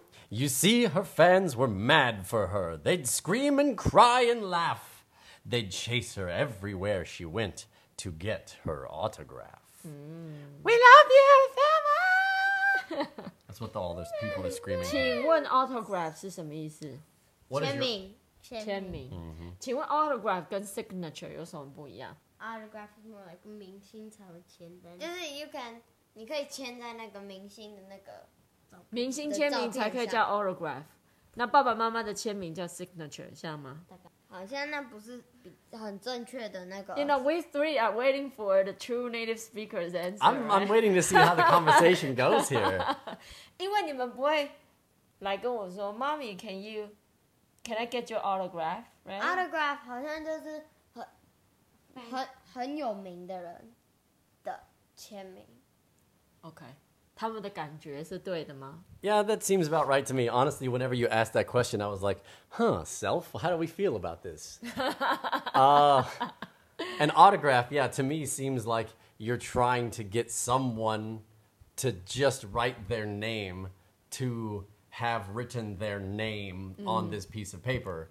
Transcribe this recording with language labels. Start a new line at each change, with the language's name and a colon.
English: You see, her fans were mad for her. They'd scream and cry and laugh. They'd chase her everywhere she went to get her autograph. Mm. We love you, Thelma! That's what all those people are screaming.
Chinese: 请问autograph是什么意思? 签名。签名。签名。请问autograph跟signature有什么不一样?
English: Autograph is more like
Chinese: 明星才会签的。就是
English: you can,
Chinese: 你可以签在那个明星的那个明星签名才可以叫autograph。那爸爸妈妈的签名叫signature,像吗? 好像那不是很正确的那个
English: You know, we three are waiting for the true native speaker's answer. I'm waiting to see how the conversation goes here.
Chinese: 因为你们不会来跟我说,
English: Mommy, can I get your autograph, right?
Chinese: Autograph 好像就是很有名的人的签名. Okay. 他们的感觉是对的吗?
English: Yeah, that seems about right to me. Honestly, whenever you asked that question, I was like, huh, self, how do we feel about this? An autograph, yeah, to me seems like you're trying to get someone to just write their name to have written their name on this piece of paper.